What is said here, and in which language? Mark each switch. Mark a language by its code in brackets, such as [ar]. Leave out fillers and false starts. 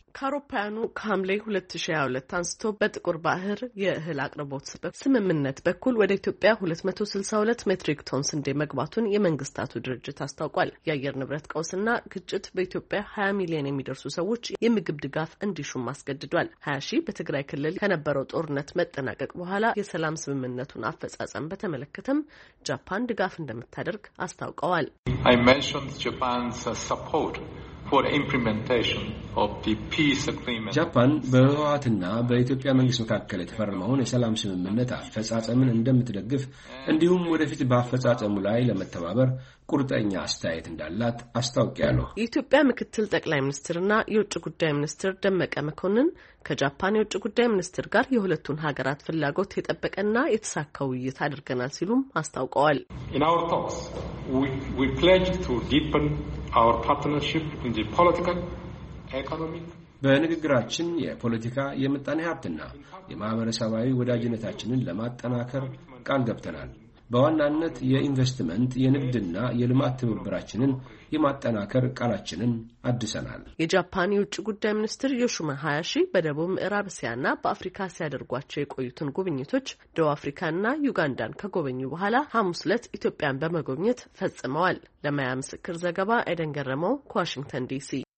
[am] ካሮፓያኑ ከሐምሌ 2022 አንስቶ በጥቁር ባህር የእህል አቅርቦት ስምምነት በኩል ወደ ኢትዮጵያ 262 ሜትሪክ ቶን ስንዴ መግባቱን የመንግስታቱ ድርጅት አስታውቋል። የአየር ንብረት ቀውስና ግጭት በኢትዮጵያ 20 ሚሊዮን የሚደርሱ ሰዎች የምግብ ድጋፍ እንዲሹም አስገድዷል። 20 ሺህ በትግራይ ክልል ከነበረው ጦርነት መጠናቀቅ በኋላ የሰላም ስምምነቱን አፈጻጸም በተመለከተም ጃፓን ድጋፍ እንደምታደርግ አስታውቀዋል። [en] I mentioned Japan's support for implementation of the peace agreement. [am] ጃፓን በህወሓትና በኢትዮጵያ መንግስት መካከል የተፈረመውን የሰላም ስምምነት አፈጻጸምን እንደምትደግፍ እንዲሁም ወደፊት በአፈጻጸሙ ላይ ለመተባበር ቁርጠኛ አስተያየት እንዳላት አስታውቃለሁ። የኢትዮጵያ ምክትል ጠቅላይ ሚኒስትርና የውጭ ጉዳይ ሚኒስትር ደመቀ መኮንን ከጃፓን የውጭ ጉዳይ ሚኒስትር ጋር የሁለቱን ሀገራት ፍላጎት የተጠበቀና የተሳካ ውይይት አድርገናል ሲሉም አስታውቀዋል። [en] In our talks, we pledged to deepen our partnership in the political, economic. [am] በንግግራችን የፖለቲካ የምጣኔ ሀብትና የማህበረሰባዊ ወዳጅነታችንን ለማጠናከር ቃል ገብተናል። በዋናነት የኢንቨስትመንት የንግድና የልማት ትብብራችንን የማጠናከር ቃላችንን አድሰናል። የጃፓን የውጭ ጉዳይ ሚኒስትር ዮሺማ ሃያሺ በደቡብ ምዕራብ እስያና በአፍሪካ ሲያደርጓቸው የቆዩትን ጉብኝቶች ደቡብ አፍሪካና ዩጋንዳን ከጎበኙ በኋላ ሐሙስ ዕለት ኢትዮጵያን በመጎብኘት ፈጽመዋል። ለማያ ምስክር ዘገባ ኤደን ገረመው ከዋሽንግተን ዲሲ።